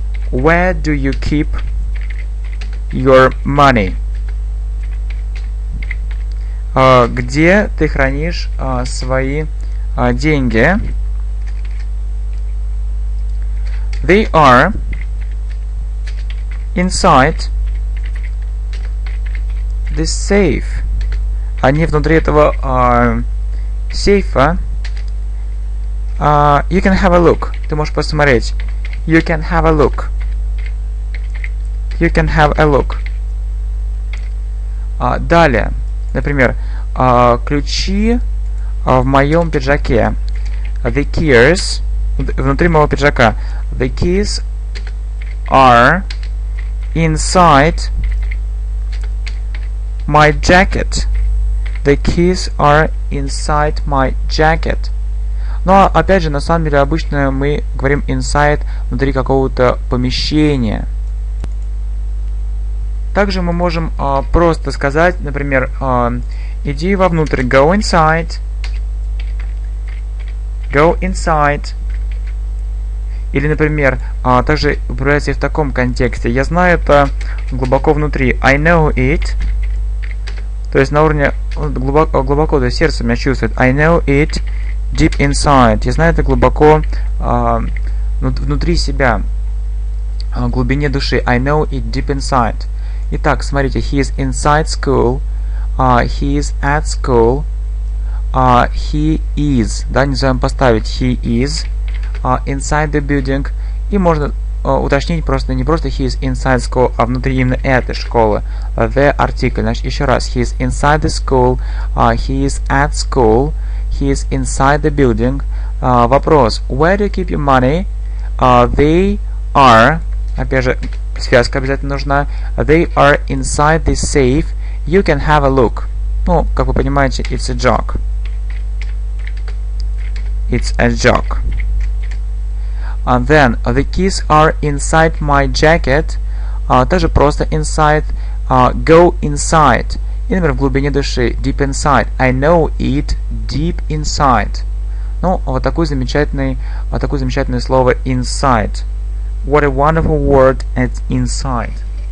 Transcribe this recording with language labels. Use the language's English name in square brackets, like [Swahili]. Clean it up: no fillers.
[English] Where do you keep your money? [Russian] Где ты хранишь свои деньги? [English] They are inside the safe. [Russian] Они внутри этого сейфа. [English] You can have a look. [Russian] Ты можешь посмотреть. [English] You can have a look. You can have a look. [Russian] Далее. Например, ключи в моем пиджаке. [English] The keys. [Russian] Внутри моего пиджака. [English] The keys are inside my jacket. The keys are inside my jacket. [Russian] Ну, а опять же, на самом деле, обычно мы говорим inside внутри какого-то помещения. Также мы можем просто сказать, например, иди вовнутрь, [English] go inside. Go inside. [Russian] Или, например, также выбирается и в таком контексте. Я знаю это глубоко внутри. [English] I know it. [Russian] То есть на уровне глубоко, то есть сердце меня чувствует. [English] I know it deep inside. [Russian] Я знаю это глубоко внутри себя, в глубине души. [English] I know it deep inside. [Russian] Итак, смотрите, [English] he is inside school, he is at school, he is, [Russian] да, не знаю, поставить, [English] he is inside the building. [Russian] И можно уточнить просто, не просто he is inside school, а внутри именно этой школы. [English] The article. [Russian] Значит, еще раз. [English] He is inside the school. He is at school. He is inside the building. [Russian] Вопрос. [English] Where do you keep your money? They are. [Russian] Опять же, связка обязательно нужна. [English] They are inside the safe. You can have a look. [Russian] Ну, как вы понимаете, [English] it's a joke. It's a joke. And then, the keys are inside my jacket. [Russian] Также просто inside. [English] Go inside. [Russian] И, например, в глубине души. [English] Deep inside. I know it deep inside. [Russian] Ну, вот такой замечательный, вот такое замечательное слово inside. [English] What a wonderful word at inside.